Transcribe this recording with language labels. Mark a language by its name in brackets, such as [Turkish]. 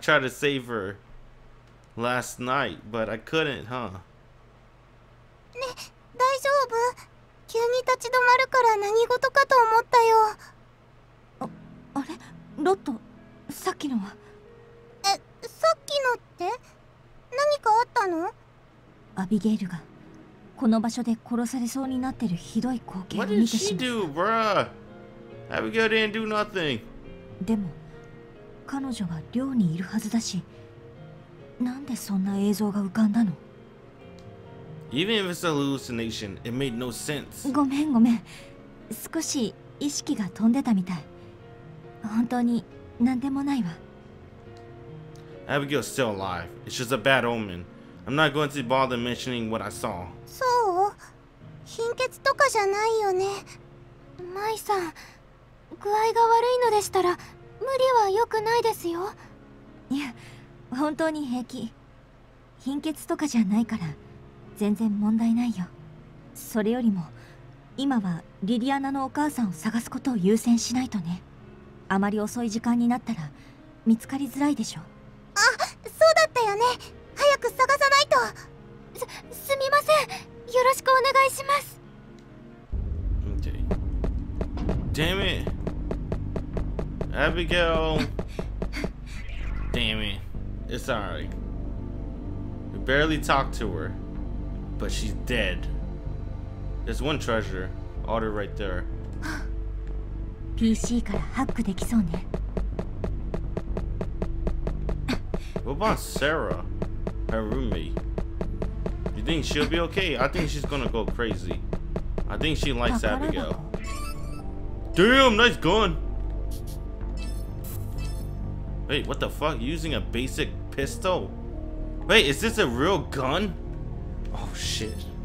[English] tried to save her last night, but I couldn't, huh? [Japanese] ね、大丈夫? 急に立ち止まるから何事かと思ったよ。あ、あれ?ロット、さっきのは? え、さっきのって?何かあったの? アビゲイルがこの場所で殺されそうになってるひどい光景を見てしまった。 [English] What did she do, bruh? Abigail didn't do nothing. [Japanese] でも、彼女は寮にいるはずだし、なんでそんな映像が浮かんだの? [English] Even if it's a hallucination, it made no sense. [Japanese] ごめんごめん。少し意識が飛んでたみたい。本当に何でもないわ。 [English] Abigail's still alive. It's just a bad omen. I'm not going to bother mentioning what I saw. [Japanese] そう? 貧血とかじゃないよね。マイさん、具合が悪いのでしたら、無理は良くないですよ。いや、本当に平気。貧血とかじゃないから、全然問題ないよ。それよりも、今はリリアナのお母さんを探すことを優先しないとね。あまり遅い時間になったら、見つかりづらいでしょ。あ、そうだったよね。早く探さないと。すみません。よろしくお願いします。 [English] Okay. Damn it. Abigail. Damn it. It's alright. We barely talked to her, but she's dead. There's one treasure. Order right there. [Japanese] PC からハックできそうね。 [English] What about Sarah, her roommate? You think she'll be okay? I think she's gonna go crazy. I think she likes Abigail. Damn, nice gun! Wait, what the fuck? Using a basic pistol? Wait, is this a real gun? Oh shit.